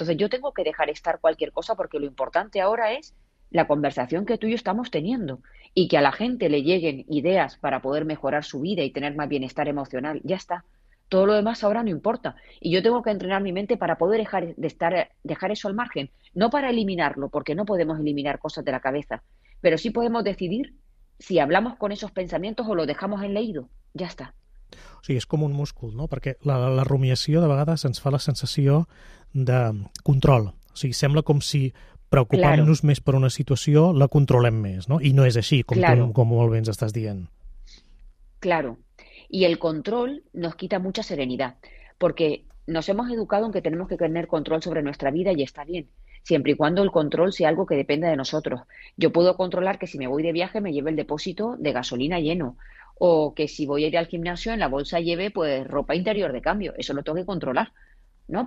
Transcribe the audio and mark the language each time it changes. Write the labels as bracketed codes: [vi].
[es] Entonces yo tengo que dejar estar cualquier cosa, porque lo importante ahora es la conversación que tú y yo estamos teniendo, y que a la gente le lleguen ideas para poder mejorar su vida y tener más bienestar emocional. Ya está. Todo lo demás ahora no importa. Y yo tengo que entrenar mi mente para poder dejar eso al margen. No para eliminarlo, porque no podemos eliminar cosas de la cabeza, pero sí podemos decidir si hablamos con esos pensamientos o lo dejamos en leído. Ya está. [ca] O sigui, és com un múscul, no? Perquè la rumiació de vegades ens fa la sensació de control. O sigui, sembla com si preocupant-nos claro. més per una situació, la controlem més, no? I no és així, com, claro. com molt bé ens estàs dient. [es] Claro. Y el control nos quita mucha serenidad, porque nos hemos educado en que tenemos que tener control sobre nuestra vida, y está bien, siempre y cuando el control sea algo que dependa de nosotros. Yo puedo controlar que si me voy de viaje me lleve el depósito de gasolina lleno, o que si voy a ir al gimnasio en la bolsa lleve pues ropa interior de cambio. Eso lo tengo que controlar. ¿no?